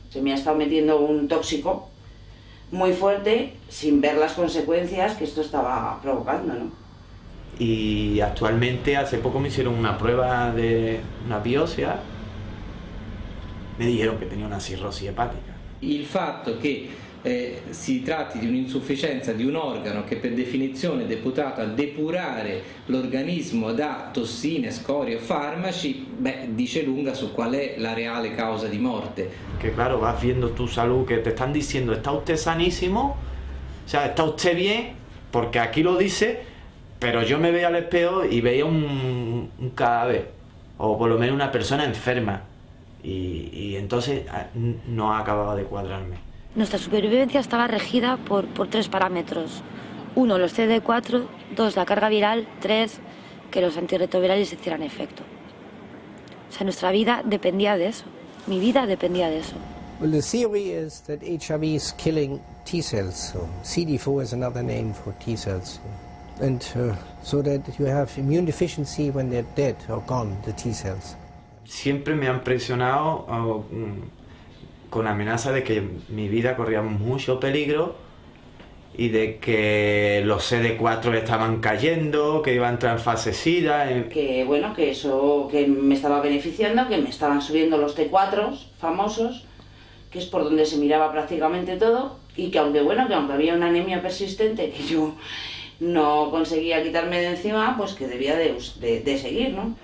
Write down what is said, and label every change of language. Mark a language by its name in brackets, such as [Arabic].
[Spanish] Se me ha estado metiendo un tóxico muy fuerte sin ver las consecuencias que esto estaba provocando, ¿no? Y actualmente, hace poco me hicieron una prueba de una biopsia, me dijeron que tenía una cirrosis hepática. [Italian] Il fatto che si tratti di un'insufficienza di un organo che per definizione è deputato a depurare l'organismo da tossine, scorie o farmaci, beh, dice lunga su qual è la reale causa di morte. [Spanish] Che claro, vas viendo tu salud, che te están diciendo, está usted sanísimo, o sea, está usted bien, porque aquí lo dice, pero yo me veía al espejo y veía un cadáver, o por lo menos una persona enferma. Y entonces no ha acabado de cuadrarme. Nuestra supervivencia estaba regida por tres parámetros. Uno, los CD4, dos, la carga viral, tres, que los antirretrovirales hicieran efecto. O sea, nuestra vida dependía de eso. Mi vida dependía de eso. [English] Well, the theory is that HIV is killing T cells. So CD4 is another name for T cells. And so that you have immune deficiency when they're dead or gone, the T cells. [Spanish] Siempre me han presionado con amenaza de que mi vida corría mucho peligro y de que los CD4 estaban cayendo, que iba a entrar en fase SIDA. Que bueno, que eso, que me estaba beneficiando, que me estaban subiendo los T4 famosos, que es por donde se miraba prácticamente todo, y que aunque bueno, que aunque había una anemia persistente que yo no conseguía quitarme de encima, pues que debía de seguir, ¿no?